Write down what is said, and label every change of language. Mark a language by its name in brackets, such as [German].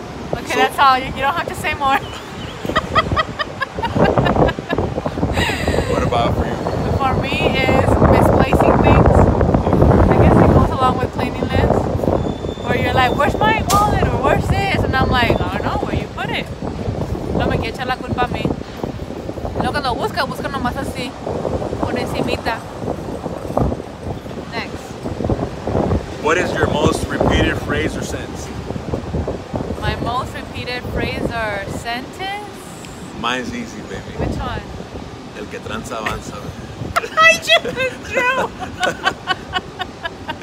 [English] Okay, so, that's all. You don't have to say more. What about for you? For me, is misplacing things. I guess it goes along with cleanliness. Where you're like, where's my wallet? Or where's this? And I'm like, I don't know. Where you put it? [Spanish] No me quiere echar la culpa a mí. Lo que lo busca, busca nomás así. Por encimita. Next. [English] What is your most repeated phrase or sentence? My most repeated phrase or sentence? Mine's easy, baby. Which one? [Spanish] El que tranza avanza. [English] I just drew.